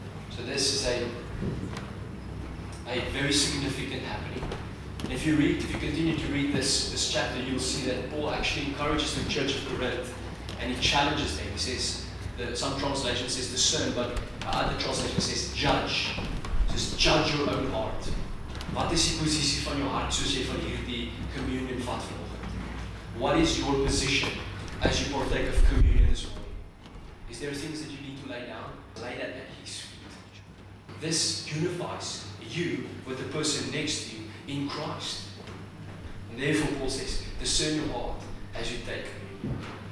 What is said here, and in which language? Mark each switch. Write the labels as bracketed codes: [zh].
[en] So this is a very significant happening. And if you continue to read this chapter, you'll see that Paul actually encourages the church of Corinth, and he challenges them. He says, some translation says discern, but other translation says judge. Just judge your own heart. [af] Wat is die posisie van jou hart soos jy van hierdie communion vat vanoggend? [en] What is your position as you partake of communion this morning? Is there things that you need to lay down? Lay that at His feet. This unifies you with the person next to you in Christ. And therefore Paul says, discern your heart as you take communion.